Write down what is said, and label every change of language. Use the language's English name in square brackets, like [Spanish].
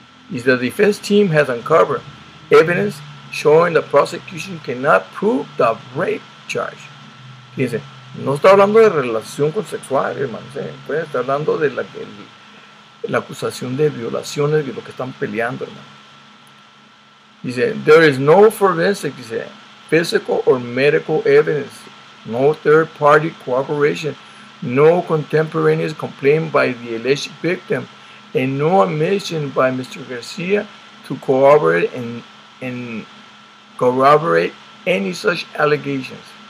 [English] Dice, the defense team has uncovered evidence showing the prosecution cannot prove the rape charge. [Spanish] Fíjense, no está hablando de relación consensual, hermanos, ¿eh? Pues está hablando de la acusación de violaciones de lo que están peleando, hermano. [English] Dice, there is no forensic, dice, physical or medical evidence, no third party cooperation, no contemporaneous complaint by the alleged victim, and no admission by Mr. Garcia to corroborate and corroborate any such allegations.